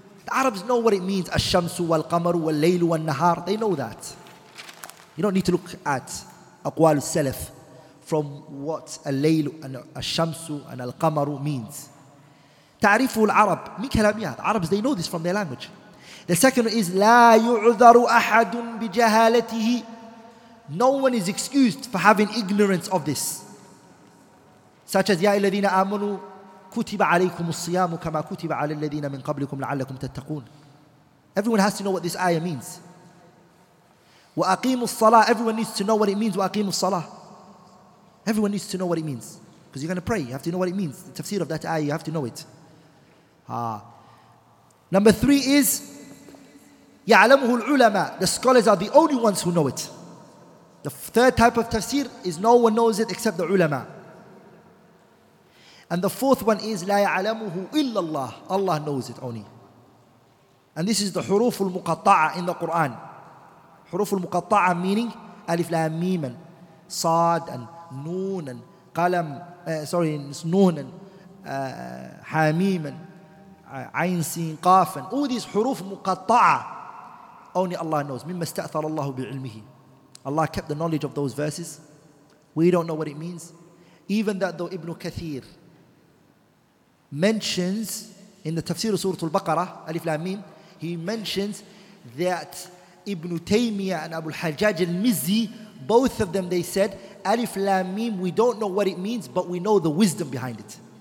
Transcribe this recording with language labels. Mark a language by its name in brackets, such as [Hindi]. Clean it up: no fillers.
[English] The Arabs know what it means. [Arabic] الشَّمْسُ وَالْقَمَرُ وَالْلَيْلُ وَالنَّهَارُ. [English] They know that. You don't need to look at [Arabic] أَقْوَالُ السَّلَفِ [English] from what الْلَيْلُ and الشَّمْسُ and الْقَمَرُ means. [Arabic] تَعْرِفُ الْعَرَبُ مِنْ كَلَامِهَا. [English] The Arabs, they know this from their language. The second is [Arabic] لَا يُعْذَرُ أَحَدٌ بِجَهَالَتِهِ. [English] No one is excused for having ignorance of this. Such as [Arabic] يَا الَّذِينَ آمَنُوا كُتِبَ عَلَيْكُمُ الصِّيَامُ كَمَا كُتِبَ عَلَى الَّذِينَ مِنْ قَبْلِكُمْ لَعَلَّكُمْ تَتَّقُونَ. [English] Everyone has to know what this ayah means. [Arabic] وَأَقِيمُ الصَّلَاةِ. [English] Everyone needs to know what it means. [Arabic] وَأَقِيمُ الصَّلَاةِ. [English] Everyone needs to know what it means. Because you're going to pray. You have to know what it means. The tafsir of that ayah, you have to know it. Number three is [Arabic] يَعْلَمُهُ الْعُلَمَاء. [English] The scholars are the only ones who know it. The third type of tafsir is no one knows it except the ulama. And the fourth one is [Arabic] لا يعلمه إلا الله. [English] Allah knows it only. And this is the حروف المقطعة in the Quran. [Arabic] حروف المقطعة meaning ألف لام ميم صاد and نون and قلم sorry نون and حاميم عين سين قاف. [English] All these حروف مقطعة only Allah knows. [Arabic] مما استأثر الله بعلمه. [English] Allah kept the knowledge of those verses. We don't know what it means. Even that though Ibn Kathir mentions in the tafsir of Surah Al-Baqarah, Alif Lam Mim, he mentions that Ibn Taymiyyah and Abu al-Hajjaj al-Mizzi, both of them, they said, Alif Lam Mim, we don't know what it means, but we know the wisdom behind it.